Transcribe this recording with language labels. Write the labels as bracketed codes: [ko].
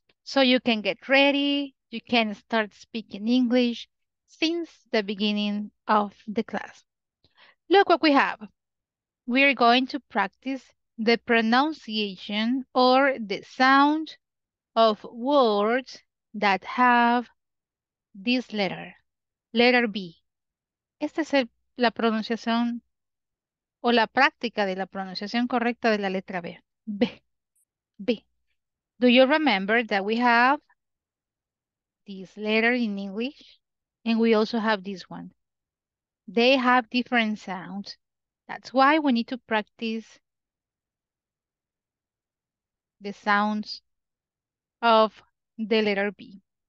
[en] So you can get ready, you can start speaking English since the beginning of the class. Look what we have. We are going to practice the pronunciation or the sound of words that have this letter, letter B. [es] Esta es la pronunciación o la práctica de la pronunciación correcta de la letra B. [en] B. B. Do you remember that we have this letter in English? And we also have this one. They have different sounds. That's why we need to practice the sounds of the letter B.